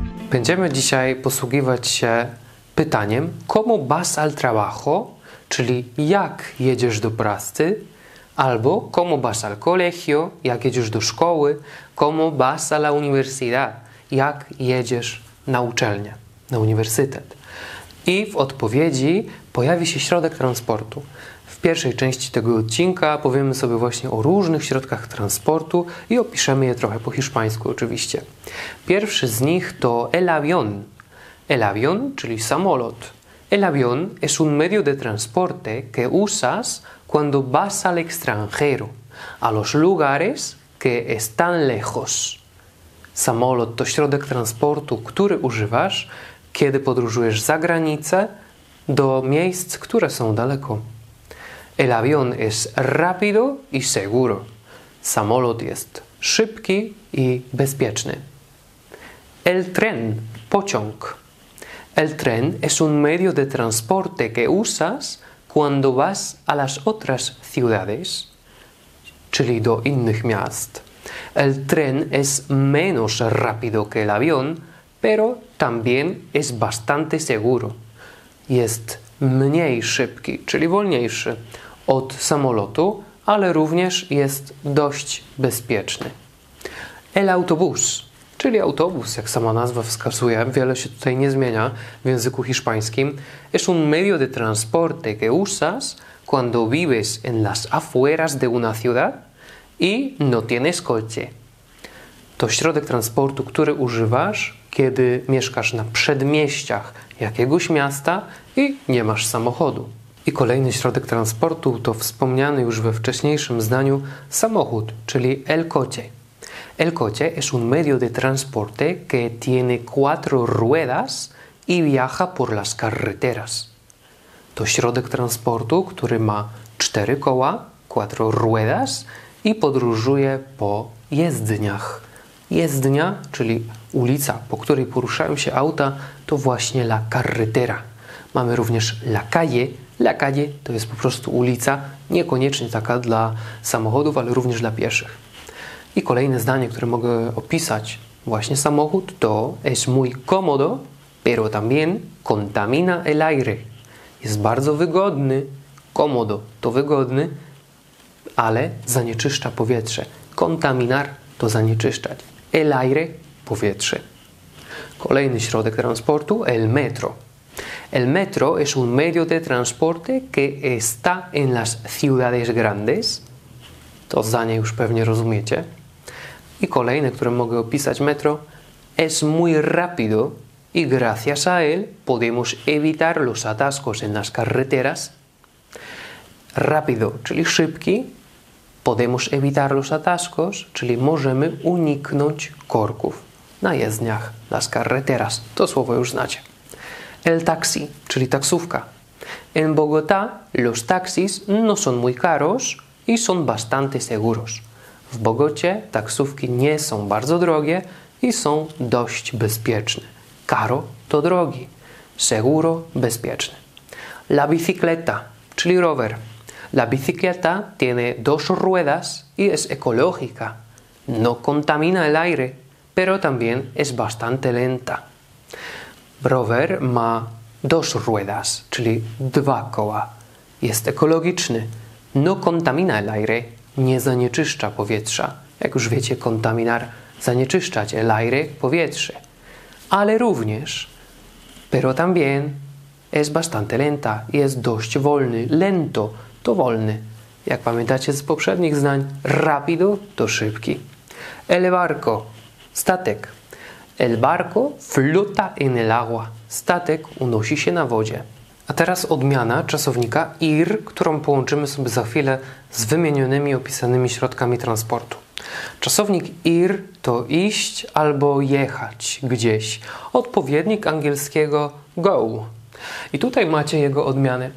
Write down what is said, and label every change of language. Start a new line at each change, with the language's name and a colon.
Polish: Będziemy dzisiaj posługiwać się pytaniem
Spanish: como vas al trabajo,
Polish: czyli jak jedziesz do pracy, albo
Spanish: como vas al colegio,
Polish: jak jedziesz do szkoły,
Spanish: como vas a la universidad,
Polish: jak jedziesz na uczelnię, na uniwersytet. I w odpowiedzi pojawi się środek transportu. W pierwszej części tego odcinka powiemy sobie właśnie o różnych środkach transportu i opiszemy je trochę po hiszpańsku oczywiście. Pierwszy z nich to el avión.
Spanish: El avión,
Polish: czyli samolot.
Spanish: El avión es un medio de transporte que usas cuando vas al extranjero, a los lugares que están lejos.
Polish: Samolot to środek transportu, który używasz, kiedy podróżujesz za granicę do miejsc, które są daleko.
Spanish: El avión es rápido y seguro.
Polish: Samolot jest szybki i bezpieczny.
Spanish: El tren,
Polish: pociąg.
Spanish: El tren es un medio de transporte que usas cuando vas a las otras ciudades,
Polish: czyli do innych miast.
Spanish: El tren es menos rápido que el avión, pero también es bastante seguro.
Polish: Jest mniej szybki, czyli wolniejszy od samolotu, ale również jest dość bezpieczny.
Spanish: El autobús,
Polish: czyli autobus, jak sama nazwa wskazuje, wiele się tutaj nie zmienia w języku hiszpańskim,
Spanish: es un medio de transporte que usas cuando vives en las afueras de una ciudad y no tienes coche.
Polish: To środek transportu, który używasz, kiedy mieszkasz na przedmieściach jakiegoś miasta i nie masz samochodu. I kolejny środek transportu to wspomniany już we wcześniejszym zdaniu samochód, czyli
Spanish: el coche. El coche es un medio de transporte que tiene cuatro ruedas y viaja por las carreteras.
Polish: To środek transportu, który ma cztery koła,
Spanish: cuatro ruedas,
Polish: i podróżuje po jezdniach. Jezdnia, czyli ulica, po której poruszają się auta, to właśnie
Spanish: la carretera.
Polish: Mamy również la calle.
Spanish: La calle
Polish: to jest po prostu ulica, niekoniecznie taka dla samochodów, ale również dla pieszych. I kolejne zdanie, które mogę opisać, właśnie samochód, to
Spanish: es muy cómodo, pero también contamina el aire.
Polish: Jest bardzo wygodny, cómodo to wygodny, ale zanieczyszcza powietrze. Contaminar to zanieczyszczać.
Spanish: El aire,
Polish: powietrze. Kolejny środek transportu, el metro.
Spanish: El metro es un medio de transporte que está en las ciudades grandes.
Polish: To zdanie już pewnie rozumiecie. I kolejne, które mogę opisać metro,
Spanish: es muy rápido y gracias a él podemos evitar los atascos en las carreteras.
Polish: Rápido, czyli szybki.
Spanish: Podemos evitar los atascos,
Polish: czyli możemy uniknąć korków na jezdniach,
Spanish: las carreteras.
Polish: To słowo już znacie.
Spanish: El taxi,
Polish: czyli taksówka.
Spanish: En Bogotá los taxis no son muy caros y son bastante seguros.
Polish: W Bogocie taksówki nie są bardzo drogie i są dość bezpieczne. Caro to drogi. Seguro, bezpieczne.
Spanish: La bicicleta,
Polish: czyli rower.
Spanish: La bicicleta tiene dos ruedas y es ecológica. No contamina el aire, pero también es bastante lenta.
Polish: Rower ma
Spanish: dos ruedas,
Polish: czyli dwa koła. Jest ekologiczny.
Spanish: No contamina el aire.
Polish: Nie zanieczyszcza powietrza. Jak już wiecie, contaminar zanieczyszczać, el aire, powietrze. Ale również,
Spanish: pero también es bastante lenta.
Polish: Jest dość wolny, lento. To wolny. Jak pamiętacie z poprzednich zdań, rápido to szybki.
Spanish: El barco,
Polish: statek.
Spanish: El barco flota en el agua.
Polish: Statek unosi się na wodzie. A teraz odmiana czasownika ir, którą połączymy sobie za chwilę z wymienionymi opisanymi środkami transportu. Czasownik ir to iść albo jechać gdzieś. Odpowiednik angielskiego go. I tutaj macie jego odmiany.